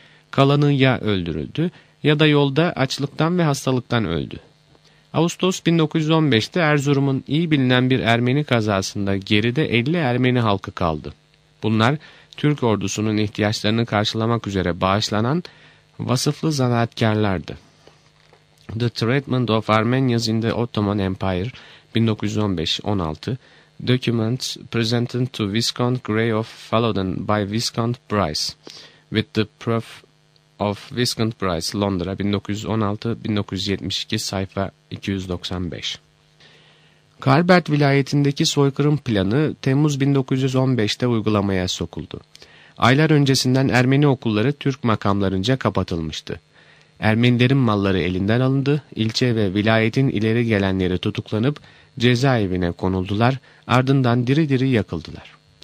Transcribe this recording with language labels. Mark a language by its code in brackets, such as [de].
[tr] Kalanı ya öldürüldü ya da yolda açlıktan ve hastalıktan öldü. Ağustos 1915'te Erzurum'un iyi bilinen bir Ermeni kazasında geride 50 Ermeni halkı kaldı. Bunlar Türk ordusunun ihtiyaçlarını karşılamak üzere bağışlanan vasıflı zanaatkarlardı. [en] The Treatment of Armenians in the Ottoman Empire 1915-16 Documents Presented to Viscount Grey of Falloden by Viscount Bryce with the Proof of Viscount Bryce, [tr] Londra 1916-1972 sayfa 295. Karbert vilayetindeki soykırım planı Temmuz 1915'te uygulamaya sokuldu. Aylar öncesinden Ermeni okulları Türk makamlarınca kapatılmıştı. Ermenilerin malları elinden alındı, ilçe ve vilayetin ileri gelenleri tutuklanıp cezaevine konuldular, ardından diri diri yakıldılar.